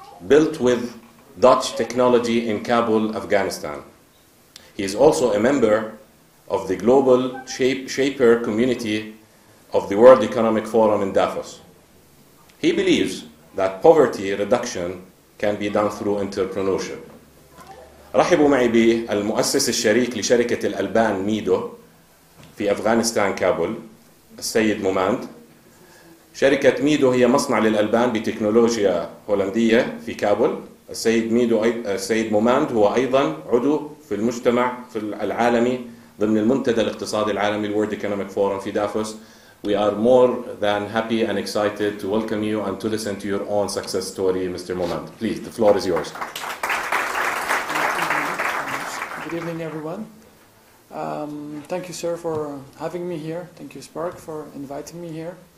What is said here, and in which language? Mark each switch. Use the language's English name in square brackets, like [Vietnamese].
[English] built with Dutch technology in Kabul, Afghanistan. He is also a member of the global shaper community of the World Economic Forum in Davos. He believes that poverty reduction can be done through entrepreneurship. [Arabic] رحبوا معي بالمؤسس الشريك لشركة الألبان ميدو في أفغانستان كابول السيد موماند. شركة ميدو هي مصنع للألبان بتكنولوجيا هولندية في كابول. السيد موماند هو أيضا عضو في المجتمع في العالمي ضمن المنتدى الاقتصادي العالمي World Economic Forum في دافوس. [English] We are more than happy and excited to welcome you and to listen to your own success story, Mr. Moment. Please, the floor is yours. Good evening, everyone. Thank you, sir, for having me here. Thank you, Spark, for inviting me here.